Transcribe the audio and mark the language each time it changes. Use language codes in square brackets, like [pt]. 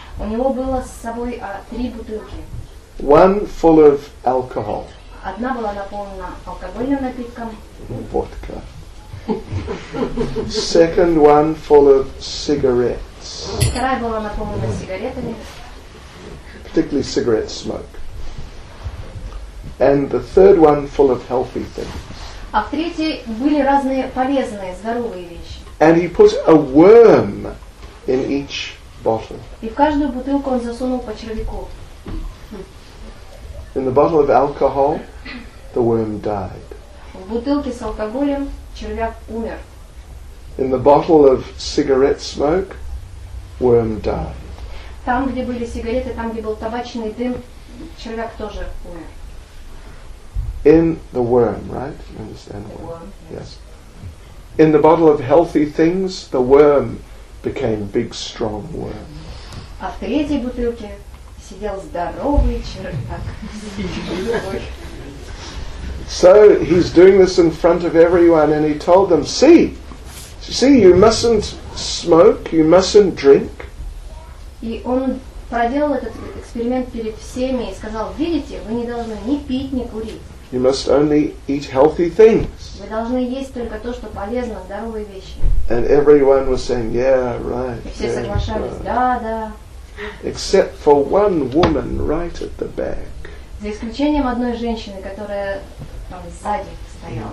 [ru] У него было с собой три бутылки. [en] One full of alcohol. [ru] Одна была наполнена алкогольным напитком. [en] Водка. Second one full of cigarettes. [ru] Вторая была наполнена сигаретами. [en] Particularly cigarette smoke. And the third one full of healthy things. [ru] А в третьей были разные полезные, здоровые вещи. [en] And he put a worm in each bottle. [ru] И в каждую бутылку он засунул по червяку. [en] In the bottle of alcohol, the worm died. [ru] В бутылке с алкоголем червяк умер. [en] In the bottle of cigarette smoke, worm died. [ru] Там, где были сигареты, там, где был табачный дым, червяк тоже умер. [en] In the worm, right? You understand the worm? Yes. In the bottle of healthy things, the worm became big, strong worm. [ru] А в третьей бутылке сидел здоровый чердак. [en] So he's doing this in front of everyone, and he told them, see, you mustn't smoke, you mustn't drink. [ru] И он проделал этот эксперимент перед всеми и сказал, видите, вы не должны ни пить, ни курить. [en] You must only eat healthy things. [ru] Вы должны есть только то, что полезно, здоровые вещи. [en] And everyone was saying, yeah, right. [ru] И все соглашались, да. [en] Except for one woman right at the back. [ru] За исключением одной женщины, которая там сзади стояла.